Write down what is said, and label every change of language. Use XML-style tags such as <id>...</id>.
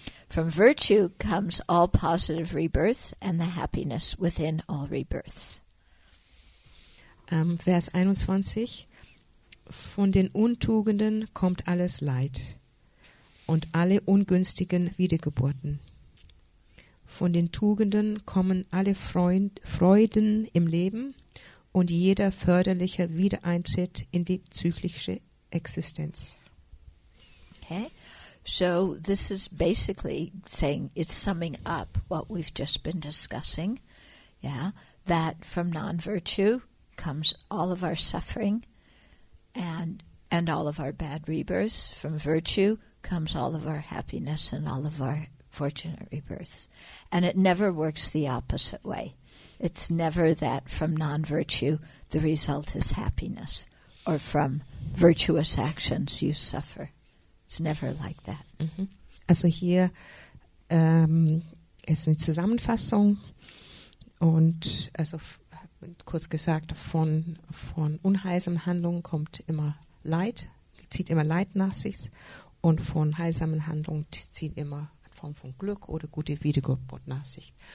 <en>From virtue comes all positive rebirths and the happiness within all rebirths.</en> <de>Vers 21, von den Untugenden kommt alles Leid und alle ungünstigen Wiedergeburten. Von den Tugenden kommen alle Freuden im Leben und jeder förderliche Wiedereintritt in die zyklische Existenz.</de> <en>Okay, so this is basically saying, it's summing up what we've just been discussing, yeah, that from non-virtue comes all of our suffering and all of our bad rebirths. From virtue comes all of our happiness and all of our fortunate rebirths. And it never works the opposite way. It's never that from non-virtue the result is happiness, or from virtuous actions you suffer. It's never like that. Mm-hmm.</en> <de>Also hier ist eine Zusammenfassung, und also kurz gesagt, von unheilsamen Handlungen kommt immer Leid, zieht immer Leid nach sich, und von heilsamen Handlungen zieht immer von Glück oder gute Wiedergeburt nach sich.</de>